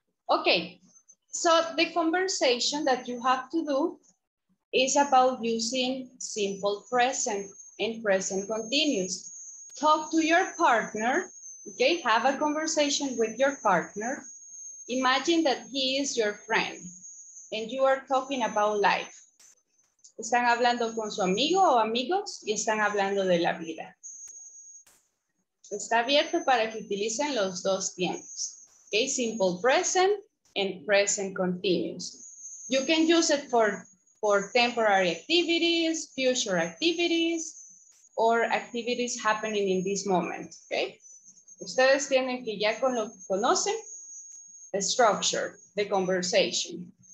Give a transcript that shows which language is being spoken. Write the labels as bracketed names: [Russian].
[English] Okay, so the conversation that you have to do is about using simple present and present continuous. Talk to your partner, okay? Have a conversation with your partner. Imagine that he is your friend and you are talking about life. [Spanish] Están hablando con su amigo o amigos y están hablando de la vida. Está abierto para que utilicen los dos tiempos. [English] Okay, simple present and present continuous. You can use it for temporary activities, future activities, or activities happening in this moment. Okay? [Spanish] Ustedes tienen que ya conocen [English] the structure, the conversation.